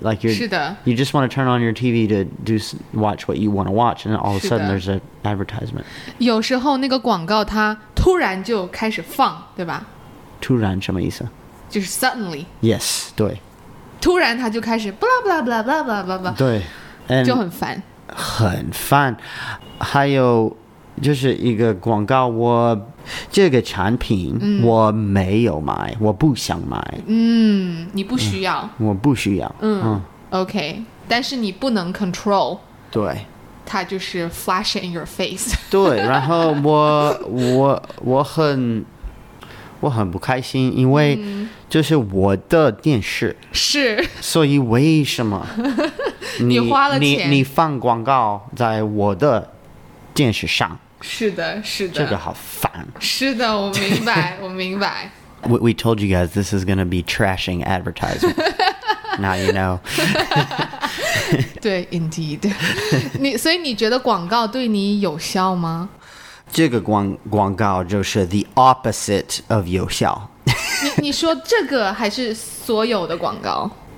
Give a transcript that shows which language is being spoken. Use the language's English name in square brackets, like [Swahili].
[English] Like you just want to turn on your TV to do, watch what you want to watch. And all of a sudden there's an advertisement. [Chinese] 有时候那个广告它突然就开始放，对吧？突然什么意思？就是 suddenly. [English] Yes, [Chinese] 对。突然它就开始 blah blah blah blah blah blah blah. 对。 And 就很烦。很烦。还有就是一个广告，我这个产品我没有买，我不想买。你不需要。我不需要。 OK， 但是你不能 control。对。它就是 [English] flash in your face。 [Chinese] 对，然后我很不开心，因为就是我的电视是，所以为什么你花了钱，你放广告在我的电视上？是的，是的，这个好烦。是的，我明白，我明白。 [English] We told you guys this is going to be trashing advertising. Now you know. 对 ，indeed. [Chinese] 你所以你觉得广告对你有效吗？这个广告就是 [English] the opposite of [Chinese] 有效。你说这个还是所有的广告？